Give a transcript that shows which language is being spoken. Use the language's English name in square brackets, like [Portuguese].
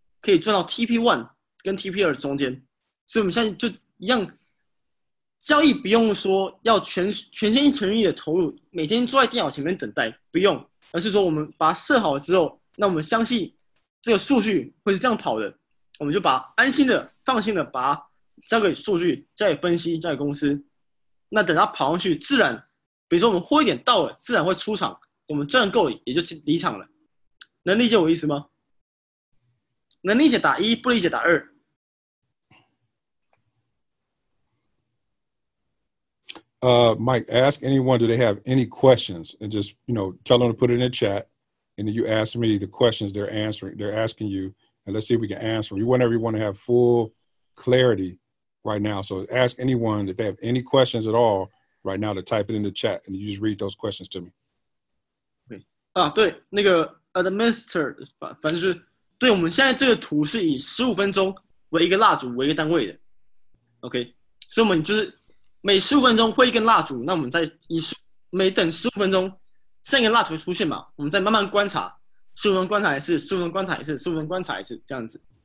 [Chinese] 可以赚到 TP1 跟 TP2 中间，所以我们现在就一样交易，不用说要 全心全意的投入，每天坐在电脑前面等待，不用，而是说我们把它设好了之后，那我们相信这个数据会是这样跑的，我们就把安心的放心的把它交给数据，交给分析，交给公司，那等它跑上去自然，比如说我们获一点到了自然会出场，我们赚够了也就离场了，能理解我意思吗？能理解打一，不理解打二。 [English] Mike, ask anyone, do they have any questions? And just, you know, tell them to put it in the chat. And then you ask me the questions they're answering, they're asking you. And let's see if we can answer. You want everyone to have full clarity right now. So ask anyone if they have any questions at all right now to type it in the chat. And you just read those questions to me. Okay. [Chinese] 对，那个 Administrator, 反正是对我们现在这个图是以15分钟为一个蜡烛为一个单位的 ，OK， 所以我们就是每15分钟会一根蜡烛，那我们再以每等15分钟，下一个蜡烛出现嘛，我们再慢慢观察， 15分观察一次， 15分观察一次， 15分观察一次，这样子。